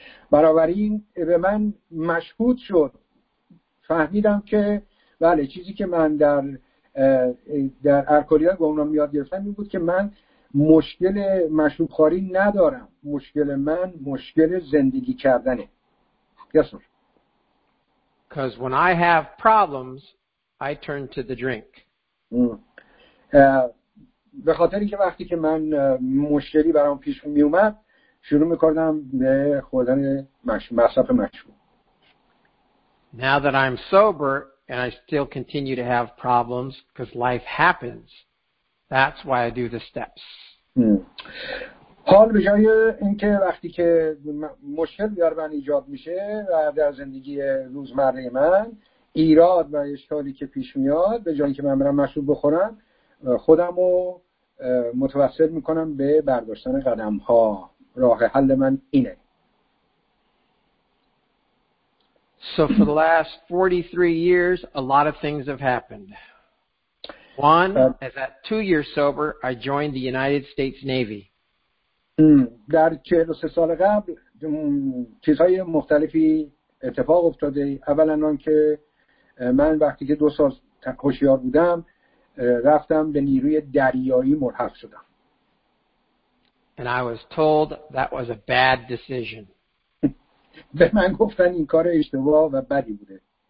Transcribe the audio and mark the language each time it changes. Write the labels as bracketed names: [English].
[Persian] بنابراین به من مشهود شد، فهمیدم که بله چیزی که من در الکلی ها گمنام یاد گرفتم این بود که من مشکل مشروب خوری ندارم، مشکل من مشکل زندگی کردنه. [English] Yes, sir. Because when I have problems I turn to the drink. [Persian] به خاطر اینکه وقتی که من مشکلی برام پیش می اومد شروع میکردم به خوردن مصرف مشروب. [English] Now that I'm sober and I still continue to have problems because life happens. That's why I do the steps. [Persian] حال به جای اینکه وقتی که مشکل در من ایجاد میشه و در زندگی روزمره من ایراد و اشکالی که پیش میاد به جای اینکه من برم مشروب بخورم خودم رو متوسل میکنم به برداشتن قدم ها. راه حل من اینه. [English] So for the last 43 years, a lot of things have happened. Juan, as at 2 years sober, I joined the United States Navy. [Persian] در 43 سال قبل چیزهای مختلفی اتفاق افتاده. اولا آنکه من وقتی که 2 سال هوشیار بودم رفتم به نیروی دریایی ملحق شدم. [English] And I was told that was a bad decision. [Persian] به من گفتن این کار اشتباه و بدی بوده.